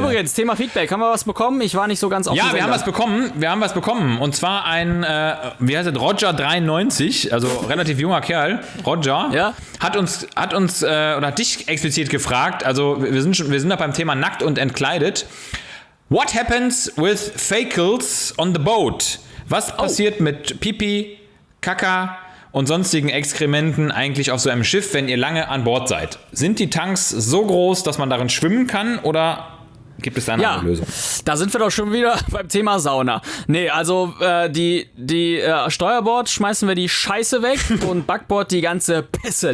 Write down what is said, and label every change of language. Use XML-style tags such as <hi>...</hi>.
<de>Übrigens, Thema Feedback. Haben wir was bekommen? Ich war nicht so ganz auf dem Sender. Ja, wir haben was bekommen. Wir haben was bekommen. Und zwar ein, wie heißt das? Roger 93, also relativ junger Kerl. Roger. Ja. Hat dich explizit gefragt, also wir sind da beim Thema nackt und entkleidet.</de> <en>What happens with fecals on the boat?</en> <de>Was passiert mit Pipi, Kaka und sonstigen Exkrementen eigentlich auf so einem Schiff, wenn ihr lange an Bord seid? Sind die Tanks so groß, dass man darin schwimmen kann oder gibt es da eine Lösung? Da sind wir doch schon wieder beim Thema Sauna. Nee, also die Steuerbord schmeißen wir die Scheiße weg und Backbord die ganze Pisse.</de>